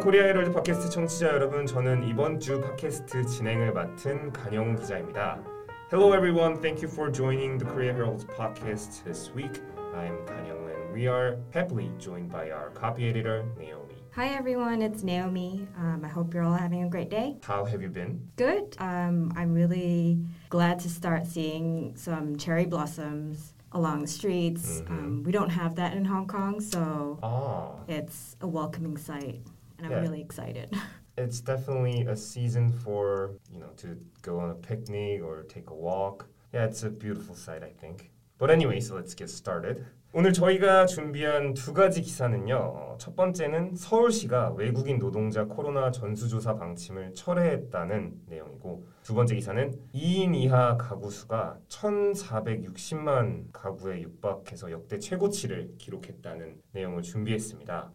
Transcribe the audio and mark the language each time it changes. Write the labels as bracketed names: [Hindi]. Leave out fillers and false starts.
[Korean] 코리아 헤럴드 팟캐스트 청취자 여러분, 저는 이번 주 팟캐스트 진행을 맡은 강영 기자입니다. [English] Hello everyone. Thank you for joining the Korea Herald podcast this week. I'm 강영 and we are happily joined by our copy editor Naomi. Hi everyone, it's Naomi. I hope you're all having a great day. How have you been? Good. I'm really glad to start seeing some cherry blossoms along the streets. Mm-hmm. We don't have that in Hong Kong, so it's a welcoming sight, and I'm really excited. It's definitely a season for, you know, to go on a picnic or take a walk. Yeah, it's a beautiful sight, I think. But anyway, so let's get started. [Korean] 오늘 저희가 준비한 두 가지 기사는요. 첫 번째는 서울시가 외국인 노동자 코로나 전수조사 방침을 철회했다는 내용이고, 두 번째 기사는 2인 이하 가구 수가 1,460만 가구에 육박해서 역대 최고치를 기록했다는 내용을 준비했습니다.